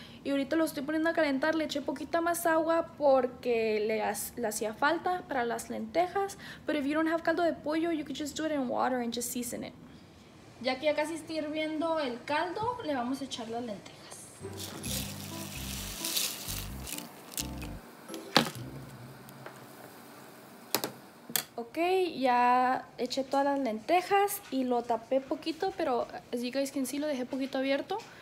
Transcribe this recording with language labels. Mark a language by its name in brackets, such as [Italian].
[Spanish] Y ahorita lo estoy poniendo a calentar, le eché poquita más agua porque le hacía falta para las lentejas. [English] But if you don't have caldo de pollo, you could just do it in water and just season it. [Spanish] Ya que ya casi está hirviendo el caldo, le vamos a echar las lentejas. Ok, ya eché todas las lentejas y lo tapé poquito, pero [English] as you guys can see, [Spanish] lo dejé poquito abierto.